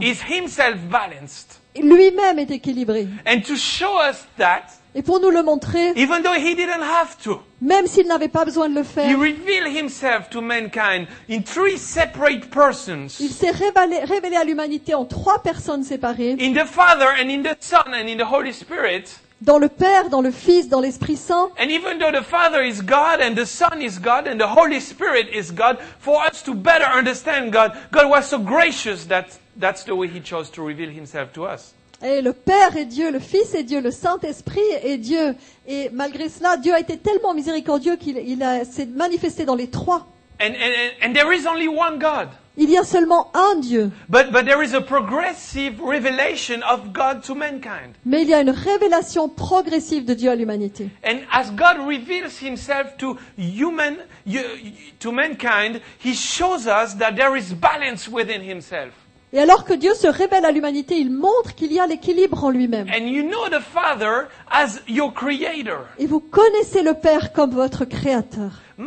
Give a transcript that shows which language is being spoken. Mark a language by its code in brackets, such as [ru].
[en] is himself balanced. [fr] Lui-même est équilibré. [en] And to show us that, [fr] et pour nous le montrer, [en] even though he didn't have to, [fr] même s'il n'avait pas besoin de le faire, [en] he revealed himself to mankind in three separate persons. [fr] Il s'est révélé à l'humanité en trois personnes séparées. [en] In the Father and in the Son and in the Holy Spirit. [fr] Dans le Père, dans le Fils, dans l'Esprit Saint. [en] And even though the Father is God and the Son is God and the Holy Spirit is God, for us to better understand God, God was so gracious that that's the way he chose to reveal himself to us. [fr] Et le Père est Dieu, le Fils est Dieu, le Saint-Esprit est Dieu. Et malgré cela, Dieu a été tellement miséricordieux qu'il s'est manifesté dans les trois. [en] And there is only one God. [fr] Il y a seulement un Dieu. [en] But there is a progressive revelation of God to mankind. [fr] Mais il y a une révélation progressive de Dieu à l'humanité. [en] And as God reveals himself to human, to mankind, he shows us that there is balance within himself. [fr] Et alors que Dieu se révèle à l'humanité, il montre qu'il y a l'équilibre en lui-même. [en] And you know the Father as your creator. [fr] Et vous connaissez le Père comme votre créateur.